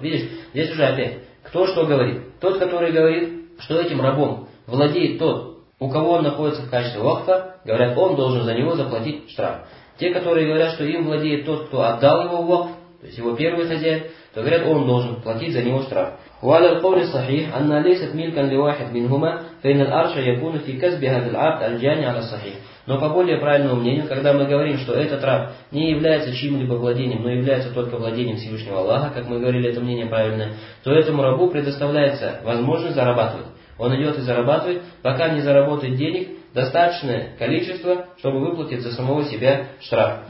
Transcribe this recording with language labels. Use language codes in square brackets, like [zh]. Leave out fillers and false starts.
[ru] Видишь, здесь уже опять, кто что говорит? Тот, который говорит, что этим рабом владеет тот, у кого он находится в качестве вакфа, говорят, он должен за него заплатить штраф. Те, которые говорят, что им владеет тот, кто отдал его вакф, то есть его первый хозяин, то говорят, он должен платить за него штраф. [ar] وعلى القول الصحيح أن ليست ملكا لواحد منهما فإن الأرش يكون في كسب هذا العبد الجاني على الصحيح. [ru] Но по более правильному мнению, когда мы говорим, что этот раб не является чьим-либо владением, но является только владением Всевышнего Аллаха, как мы говорили, это мнение правильное, то этому рабу предоставляется возможность зарабатывать. Он идет и зарабатывает, пока не заработает денег достаточное количество, чтобы выплатить за самого себя штраф.